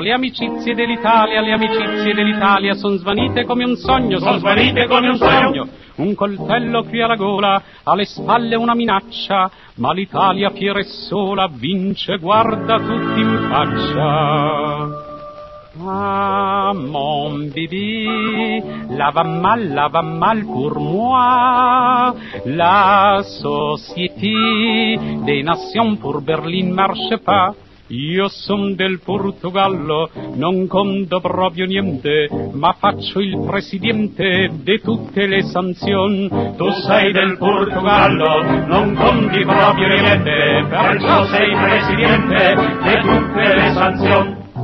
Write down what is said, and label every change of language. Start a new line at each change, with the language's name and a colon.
Italian: Le amicizie dell'Italia, le amicizie dell'Italia sono svanite come un sogno, sono svanite come un sogno. Un coltello qui alla gola, alle spalle una minaccia, ma l'Italia fiera e sola vince, guarda tutti in faccia.
French: Ah, mon bibi, la va mal pour moi, la société des nations pour Berlin marche pas.
Italian: Io son del Portogallo, non conto proprio niente, ma faccio il presidente di tutte le sanzioni. Tu sei del Portogallo, non conti proprio niente, perciò sei presidente di tutte le sanzioni.